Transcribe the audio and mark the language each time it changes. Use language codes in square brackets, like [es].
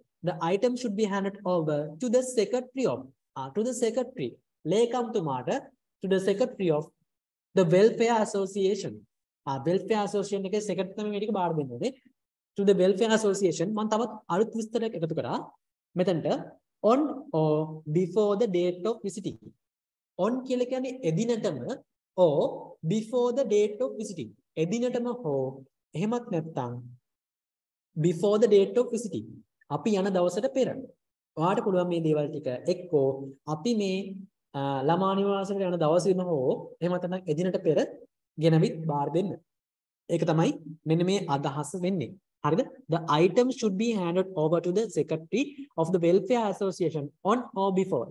[en] The items should be handed over to the secretary of. To the secretary. ලේකම්තුමාට to the secretary of the welfare association. [si] Welfare association එකේ secretary තමයි මේක බාර දෙන්න ඕනේ. [en] To the welfare association [si] මම තවත් අලුත් විස්තරයක් එකතු කරා. මෙතනට [en] on or before the date of visiting [si] on කියලා කියන්නේ එදිනටම [en] or before the date of visiting [si] එදිනටම හෝ එහෙමත් නැත්නම් [en] before the date of visiting [si] අපි යන දවසට පෙර ඔයාලට පුළුවන් මේ දේවල් ටික එක්කෝ අපි මේ ළමා නිවාසයට යන දවසේම හෝ එහෙමත් නැත්නම් එදිනට පෙර ගෙනවිත් බාර දෙන්න ඒක තමයි මෙන්න මේ අදහස වෙන්නේ හරිද? [en] The items should be handed over to the secretary of the welfare association on or before.